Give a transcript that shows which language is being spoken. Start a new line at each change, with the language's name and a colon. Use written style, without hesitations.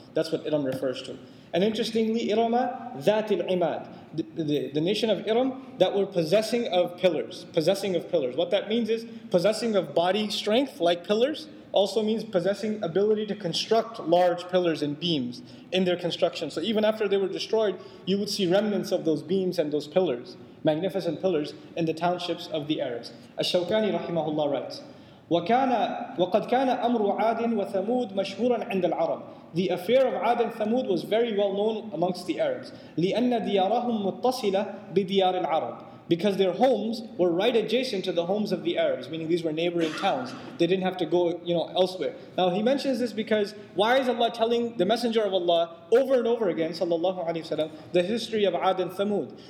English: That's what Iram refers to. And interestingly, Irama, Zatil Imad, the nation of Iram that were possessing of pillars, possessing of pillars. What that means is possessing of body strength like pillars, also means possessing ability to construct large pillars and beams in their construction. So even after they were destroyed, you would see remnants of those beams and those pillars, magnificent pillars, in the townships of the Arabs. Ash-Shawkani rahimahullah writes,
Arabic: وَقَدْ كَانَ أَمْرُ عَادٍ وَثَمُودٍ مَشْهُورًا عِنْدَ الْعَرَبِ.
English: The affair of Ad and Thamud was very well known amongst the Arabs.
Arabic: لِأَنَّ دِيَارَهُمْ مُتَّصِلَ بِدِيَارِ الْعَرَبِ.
English: Because their homes were right adjacent to the homes of the Arabs, meaning these were neighboring towns. They didn't have to go, you know, elsewhere. Now he mentions this because why is Allah telling the Messenger of Allah over and over again, sallallahu alayhi wa sallam, the history of Ad and Thamud?